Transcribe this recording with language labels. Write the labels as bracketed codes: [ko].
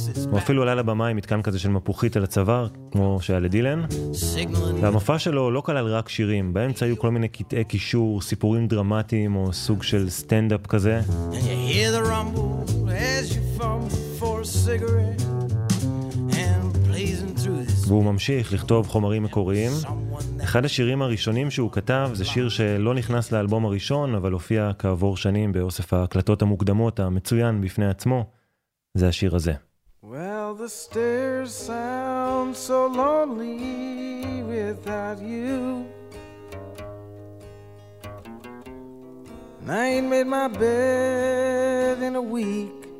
[he] הוא אפילו עלה לבמה עם מתקן כזה של מפוחית על הצוואר, כמו שהיה לדילן. והמופע שלו לא כלל רק שירים, באמצע היו כל מיני קטעי קישור, סיפורים דרמטיים או סוג של סטנדאפ כזה. [en] And you hear the rumble as you fumble for a cigarette and blazing through this. [he] והוא ממשיך לכתוב חומרים מקוריים. אחד השירים הראשונים שהוא כתב זה שיר שלא נכנס לאלבום הראשון, אבל הופיע כעבור שנים באוסף ההקלטות המוקדמות המצוין בפני עצמו. זה השיר הזה. [en] Well, the stairs sound so lonely without you. And I ain't made my bed in a week.